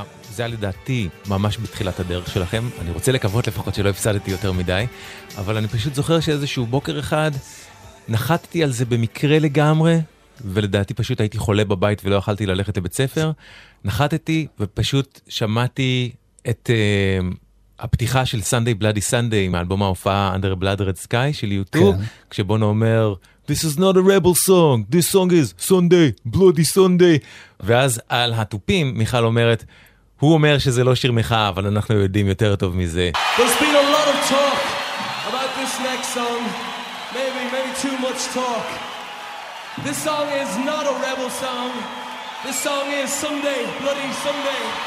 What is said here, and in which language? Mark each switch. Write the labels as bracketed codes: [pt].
[he] זה היה לדעתי ממש בתחילת הדרך שלכם. אני רוצה לקוות לפחות שלא הפסדתי יותר מדי, אבל אני פשוט זוכר שאיזשהו בוקר אחד נחתתי על זה במקרה לגמרי, ולדעתי פשוט הייתי חולה בבית ולא אכלתי ללכת לבית ספר. נחתתי ופשוט שמעתי את הפתיחה של Sunday Bloody Sunday עם האלבום ההופעה Under a Blood Red Sky של יוטו, כשבונו אומר [en] This is not a rebel song, this song is Sunday, Bloody Sunday. [he] ואז על התופים מיכל אומרת, הוא אומר שזה לא שיר מחאה, אבל אנחנו יודעים יותר טוב מזה. [en] There's been a lot of talk about this next song. Maybe too much talk. This song is not a rebel song. This song is Sunday, Bloody Sunday.